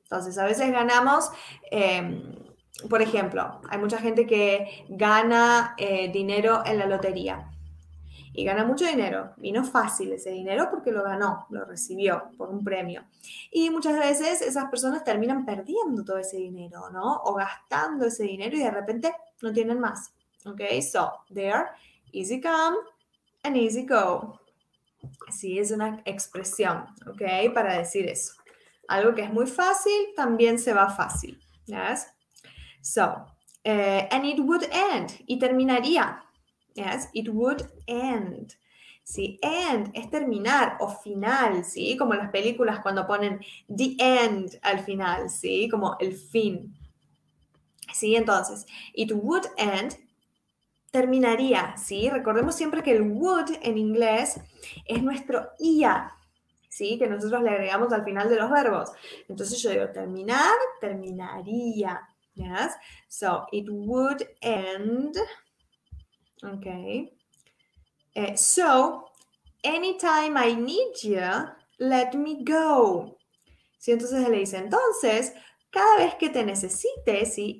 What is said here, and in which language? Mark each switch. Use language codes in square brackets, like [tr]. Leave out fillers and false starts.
[es] Entonces, a veces ganamos, por ejemplo, hay mucha gente que gana dinero en la lotería y gana mucho dinero. Y no es fácil ese dinero porque lo ganó, lo recibió por un premio. Y muchas veces esas personas terminan perdiendo todo ese dinero, ¿no? O gastando ese dinero y de repente no tienen más. [en] Ok, so there, easy come and easy go. [es] Sí, es una expresión, ok, para decir eso. Algo que es muy fácil también se va fácil. ¿Ves? [en] So, and it would end, [es] y terminaría. ¿Ves? [en] It would end. [es] Sí, end es terminar o final, ¿sí? Como las películas cuando ponen the end al final, ¿sí? Como el fin. Sí, entonces, [en] it would end [es] terminaría, ¿sí? Recordemos siempre que el would en inglés es nuestro ia. ¿Sí? Que nosotros le agregamos al final de los verbos. Entonces yo digo terminar, terminaría. ¿Yes? [en] So, it would end. Ok. So, anytime I need you, let me go. [es] ¿Sí? Entonces él le dice, entonces, cada vez que te necesite, ¿sí?